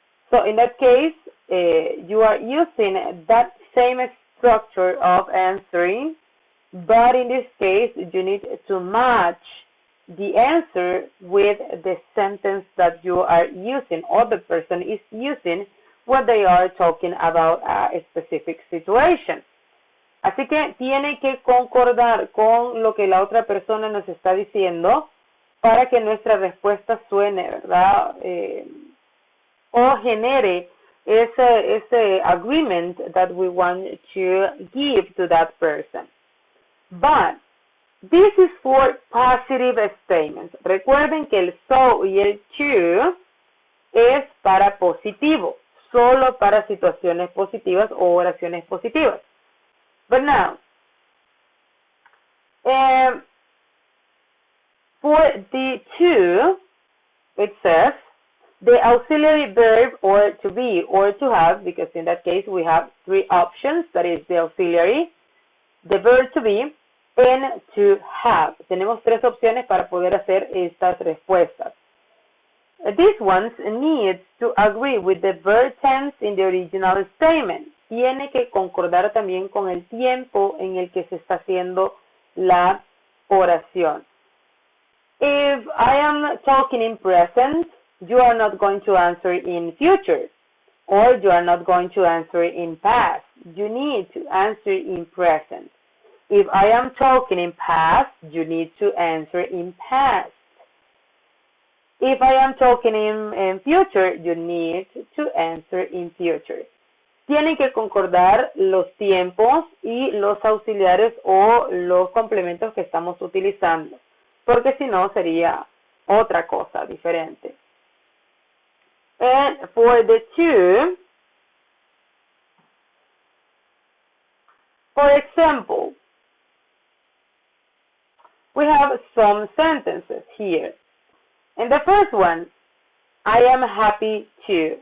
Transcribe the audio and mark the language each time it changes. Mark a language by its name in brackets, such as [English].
[English] So in that case, you are using that same structure of answering, but in this case, you need to match the answer with the sentence that you are using or the person is using when they are talking about a specific situation. [Spanish] Así que tiene que concordar con lo que la otra persona nos está diciendo para que nuestra respuesta suene, ¿verdad? O genere ese [English] agreement that we want to give to that person. But this is for positive statements. [Spanish] Recuerden que el so y el to es para positivo, solo para situaciones positivas o oraciones positivas. [English] But now, for the to, it says, the auxiliary verb or to be or to have, because in that case we have three options, that is the auxiliary, the verb to be, and to have. [Spanish] Tenemos tres opciones para poder hacer estas respuestas. [English] These ones need to agree with the verb tense in the original statement. [Spanish] Tiene que concordar también con el tiempo en el que se está haciendo la oración. [English] If I am talking in present, you are not going to answer in future, or you are not going to answer in past. You need to answer in present. If I am talking in past, you need to answer in past. If I am talking in future, you need to answer in future. [Spanish] Tienen que concordar los tiempos y los auxiliares o los complementos que estamos utilizando, porque si no sería otra cosa diferente. [English] And for the to, for example, we have some sentences here. In the first one, I am happy to.